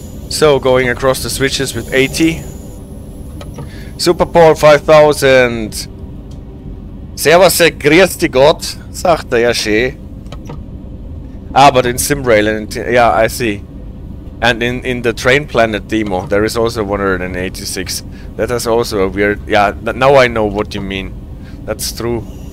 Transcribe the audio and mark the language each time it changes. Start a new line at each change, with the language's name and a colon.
English: So, going across the switches with 80. Superpol 5000.
German: Servus, grüß dich Gott, sagt der Jasche.
English: Ah, but in Simrail, and yeah, I see. And in the Train Planet demo, there is also 186. That is also a weird. Yeah, now I know what you mean. That's true.